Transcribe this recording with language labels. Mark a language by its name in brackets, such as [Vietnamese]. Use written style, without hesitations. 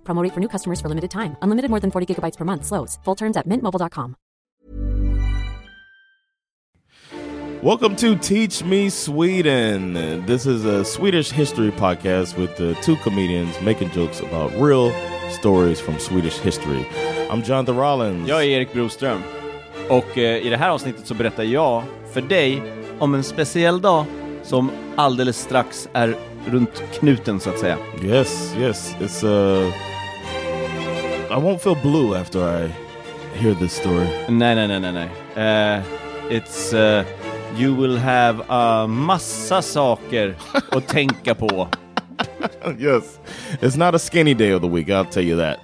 [English] Promo rate for new customers for limited time. Unlimited more than 40 gigabytes per month slows. Full terms at mintmobile.com. Welcome to Teach Me Sweden. This is a Swedish history podcast with the two comedians making jokes about real stories from Swedish history. I'm Jonathan Rollins. [Swedish] Jag är Erik Broström. Och i det här avsnittet så berättar jag för dig om en speciell dag som alldeles strax är runt knuten, så att säga. [English] Yes, yes. It's I won't feel blue after I hear this story. [Swedish] Nej. [English] You will have a [Swedish] massa saker att tänka på. [English] Yes. It's not a skinny day of the week, I'll tell you that.